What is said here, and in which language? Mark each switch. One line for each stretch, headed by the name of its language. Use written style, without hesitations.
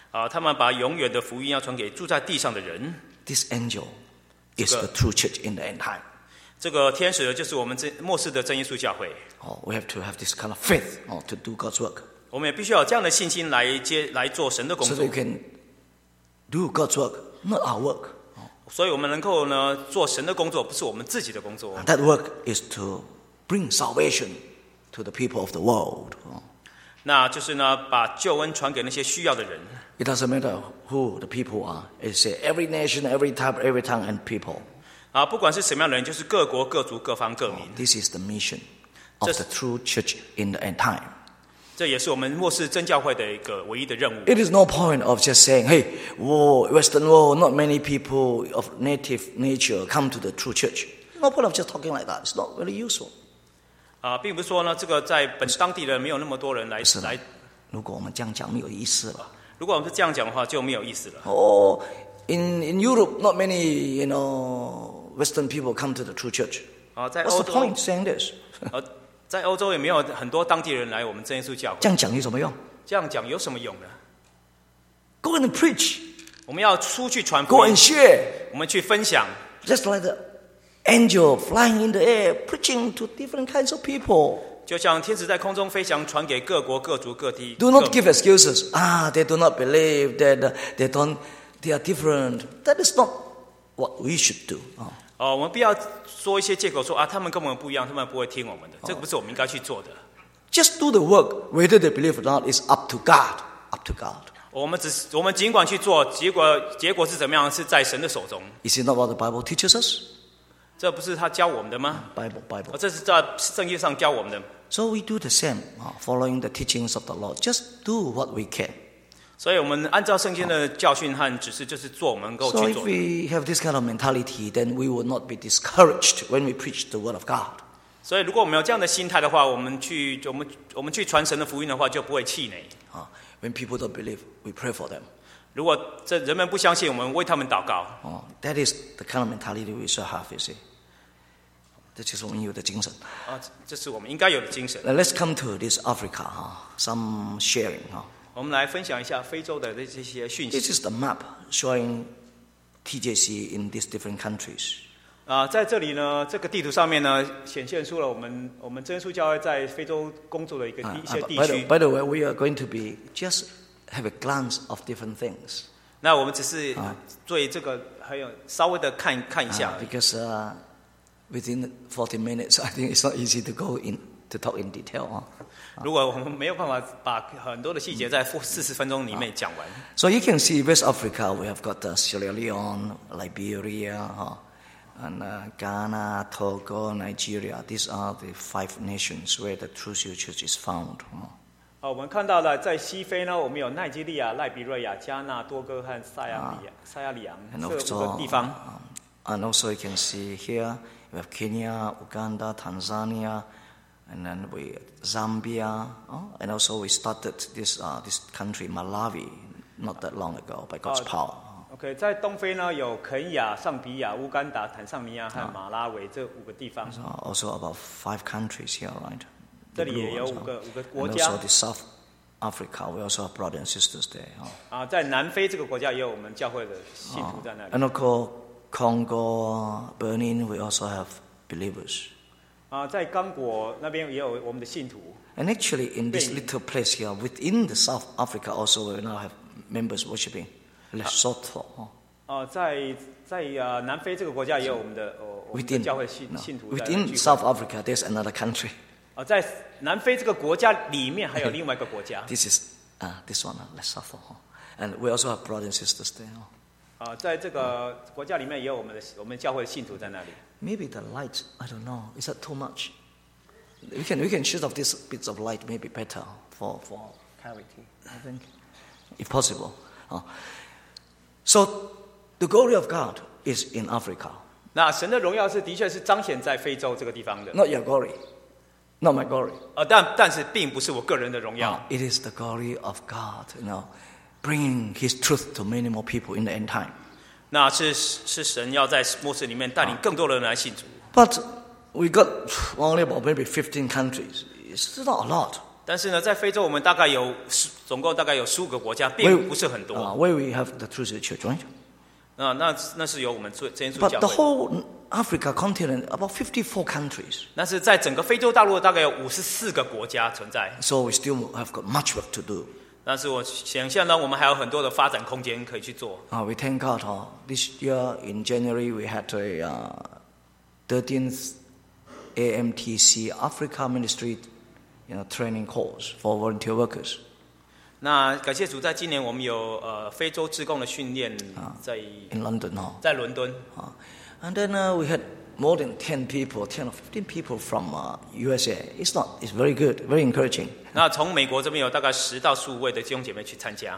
Chinese: 他们把永远的福音要传给住在地上的人。
English: This angel is the true church in the end time.
Chinese: 这个天使就是我们末世的真耶稣教会。
English: We have to have this kind of faith to do God's work.
Chinese: 我们也必须要有这样的信心来做神的工作。
English: So that we can do God's work, not our work.
Chinese: 所以我们能够呢做神的工作，不是我们自己的工作。
English: And that work is to bring salvation to the people of the world.
Chinese: 那就是呢，把救恩传给那些需要的人。
English: It doesn't matter who the people are. It's every nation, every type, every tongue, and people.
Chinese: 不管是什么样的人，就是各国、各族、各方、各民。
English: This is the mission of the true church in the end time.
Chinese: 这也是我们末世真教会的一个唯一的任务。
English: It is no point of just saying, "Hey, Western world, not many people of native nature come to the true church." No point of just talking like that. It's not really useful.
Chinese: 并不是说呢，这个在本当地的没有那么多人来来。如果我们这样讲，没有意思了。如果我们是这样讲的话，就没有意思了。
English: In Europe, not many, you know, Western people come to the true church. What's the point saying this?
Chinese: 在欧洲也没有很多当地人来我们真耶稣教会。这样讲有什么用？这样讲有什么用呢
English: ？Go and preach.
Chinese: 我们要出去传福
English: 音。Go and share.
Chinese: 我们去分享。
English: Just like that. Angel flying in the air, preaching to different kinds of people.
Chinese: 就像天使在空中飞翔，传给各国、各族、各地。
English: Do not give excuses. They do not believe that they are different. That is not what we should do.
Chinese: 我们不要说一些借口说啊，他们跟我们不一样，他们不会听我们的，这个不是我们应该去做的。
English: Just do the work, whether they believe or not, is up to God. Up to God.
Chinese: 我们尽管去做，结果是怎么样，是在神的手中。
English: Is it not what the Bible teaches us?
Chinese: 这不是他教我们的吗？
English: Bible.
Chinese: 这是在圣经上教我们的。
English: So we do the same, following the teachings of the Lord. Just do what we can.
Chinese: 所以我们按照圣经的教训和指示，就是做我们能够去做的。
English: So if we have this kind of mentality, then we will not be discouraged when we preach the word of God.
Chinese: 所以如果我们有这样的心态的话，我们去传神的福音的话，就不会气馁。
English: When people don't believe, we pray for them.
Chinese: 如果这人们不相信，我们为他们祷告。
English: That is the kind of mentality we should have, you see.
Chinese: 这就是我们有的精神。这是我们应该有的精神。
English: Now, let's come to this Africa, some sharing.
Chinese: 我们来分享一下非洲的这些讯息。
English: This is the map showing TJC in these different countries.
Chinese: 在这里呢，这个地图上面呢，显现出了我们真耶稣教会在非洲工作的一个一些地区。
English: By the way, we are going to be just have a glance of different things.
Chinese: 那我们只是对这个还有稍微的看一下。
English: Because within 40 minutes, I think it's not easy to go in to talk in detail.
Chinese: 如果我们没有办法把很多的细节在40分钟里面讲完。
English: So you can see West Africa, we have got Sierra Leone, Liberia, and Ghana, Togo, Nigeria. These are the five nations where the True Seal Church is found.
Chinese: 我们看到了在西非呢，我们有奈及利亚、赖比瑞亚、加纳、多哥和塞亚里昂这五个地方。
English: And also you can see here,We have Kenya, Uganda, Tanzania, and then we Zambia, and also we started this country Malawi not that long ago by God's power.
Chinese: Okay, 在东非呢有肯亚、桑比亚、乌干达、坦桑尼亚和马拉维这五个地方。
English: Also about five countries here, right?
Chinese: 这里也有五个国家。
English: And also the South Africa, we also have brothers and sisters there.
Chinese: 在南非这个国家也有我们教会的信徒在那里。
English: And of course. Congo, Benin, we also have believers.
Chinese: 在刚果那边也有我们的信徒。
English: And actually, in this little place here, within the South Africa, also we now have members worshiping Lesotho.
Chinese: 在南非这个国家也有我们的教会信徒。
English: Within South Africa, there's another country.
Chinese: 在南非这个国家里面还有另外一个国家。
English: This is this one, Lesotho, and we also have brothers and sisters there.
Chinese: 在这个国家里面也有我们教会的信徒在那里。
English: Maybe the light, I don't know, is that too much? We can shoot off this bits of light, maybe better for clarity, I think, if possible. So the glory of God is in Africa.
Chinese: 那神的荣耀是的确是彰显在非洲这个地方的。
English: Not your glory, not my glory.
Chinese: 但是并不是我个人的荣耀。
English: It is the glory of God, you know. Bringing His truth to many more people in the end time.
Chinese: 那是神要在末世里面带领更多人来信主。
English: But we got only about maybe 15 countries. It's still not a lot.
Chinese: 但是呢，在非洲我们大概有总共大概有十五个国家，并不是很多。
English: Where we have the True Seal Church, right?
Chinese: 那是由我们真耶稣教会。
English: But the whole Africa continent about 54 countries.
Chinese: 那是在整个非洲大陆大概有54个国家存在。
English: So we still have got much work to do.
Chinese: 但是我想象呢，我们还有很多的发展空间可以去做。
English: We thank God, this year in January we had a 13th AMTC Africa Ministry, you know, training course for volunteer workers.
Chinese: 那感谢主，在今年我们有非洲志工的训练在
English: in London,
Chinese: 在伦敦。
English: And then we had more than 10 people, 10 or 15 people from USA. It's very good, very encouraging.
Chinese: 那从美国这边有大概十到十五位的弟兄姐妹去参加。